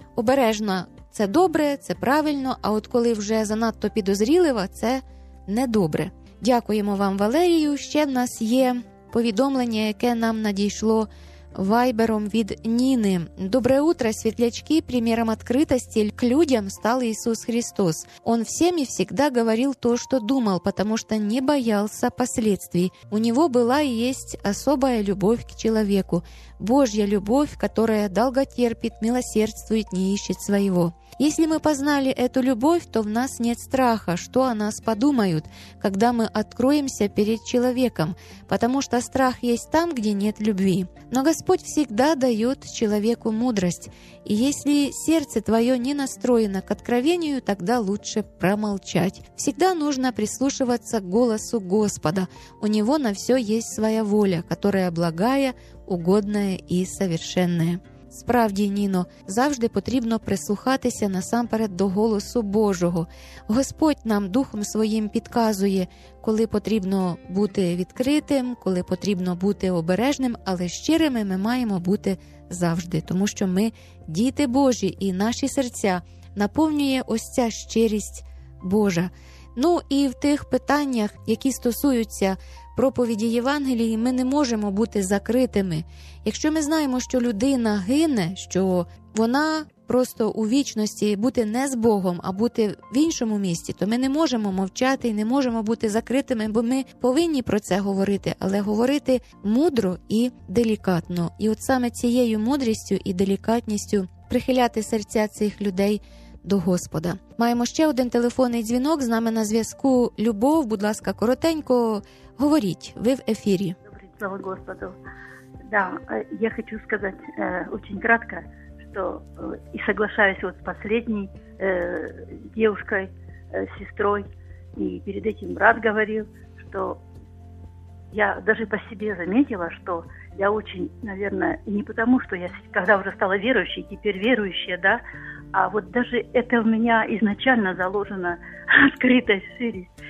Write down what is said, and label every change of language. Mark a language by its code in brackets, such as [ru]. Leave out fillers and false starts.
[uk] Обережна – це добре, це правильно, а от коли вже занадто підозрілива – це недобре. Дякуємо вам, Валерію. Ще в нас є повідомлення, яке нам надійшло вайбером від Ніни. [ru] Добре утро, світлячки, примером відкритості к людям стал Ісус Христос. Он всім і всегда говорил то, что думал, потому что не боялся последствий. У него была и есть особая любовь к человеку. Божья любовь, которая долго терпит, милосердствует, не ищет своего. Если мы познали эту любовь, то в нас нет страха, что о нас подумают, когда мы откроемся перед человеком, потому что страх есть там, где нет любви. Но Господь всегда дает человеку мудрость, и если сердце твое не настроено к откровению, тогда лучше промолчать. Всегда нужно прислушиваться к голосу Господа. У Него на все есть своя воля, которая благая, угодная и совершенная. [uk] Справді, Ніно, завжди потрібно прислухатися насамперед до голосу Божого. Господь нам духом своїм підказує, коли потрібно бути відкритим, коли потрібно бути обережним, але щирими ми маємо бути завжди, тому що ми діти Божі, і наші серця наповнює ось ця щирість Божа. Ну і в тих питаннях, які стосуються проповіді Євангелії, ми не можемо бути закритими. Якщо ми знаємо, що людина гине, що вона просто у вічності бути не з Богом, а бути в іншому місці, то ми не можемо мовчати і не можемо бути закритими, бо ми повинні про це говорити, але говорити мудро і делікатно. І от саме цією мудрістю і делікатністю прихиляти серця цих людей до Господа. Маємо ще один телефонний дзвінок. З нами на зв'язку Любов. Будь ласка, коротенько говоріть. Ви в ефірі. Добрий, слава Господу. [ru] Да, я хочу сказать очень кратко, что и соглашаюсь вот с последней девушкой, сестрой, и перед этим брат говорил, что я даже по себе заметила, что я очень, наверное, не потому, что я когда уже стала верующей, теперь верующая, да, а вот даже это у меня изначально заложено, открытость, ширить.